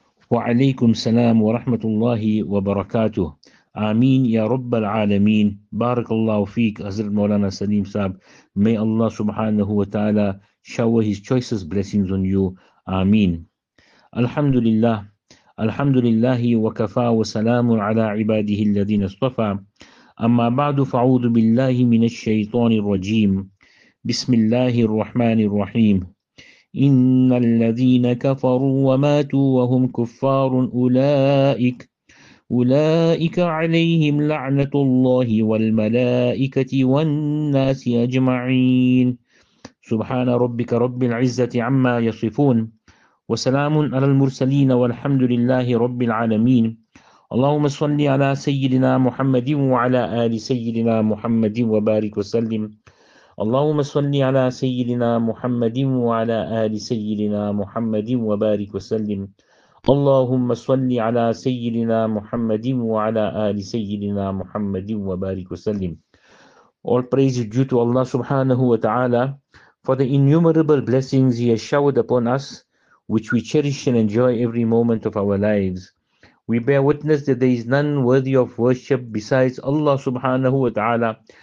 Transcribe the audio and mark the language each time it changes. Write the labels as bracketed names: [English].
[Arabic] وعليكم السلام ورحمة الله وبركاته. آمين يا رب العالمين. بارك الله فيك أزر مولانا سليم صاحب. [English] May Allah سبحانه وتعالى shower his choicest blessings on you. [Arabic] آمين. الحمد لله. الحمد لله وكفى وسلام على عباده الذين اصطفى. أما بعد فأعوذ بالله من الشيطان الرجيم. بسم الله الرحمن الرحيم. إن الذين كفروا وماتوا وهم كفار أولئك عليهم لعنة الله والملائكة والناس أجمعين. سبحان ربك رب العزة عما يصفون وسلام على المرسلين والحمد لله رب العالمين. اللهم صل على سيدنا محمد وعلى آل سيدنا محمد وبارك وسلم. اللهم صل على سيدنا محمد وعلى آل سيدنا محمد وبارك وسلم. اللهم صل على سيدنا محمد وعلى آل سيدنا محمد وبارك وسلم. [English] All praise is due to Allah subhanahu wa ta'ala for the innumerable blessings He has showered upon us, which we cherish and enjoy every moment of our lives. We bear witness that there is none worthy of worship besides Allah subhanahu wa ta'ala.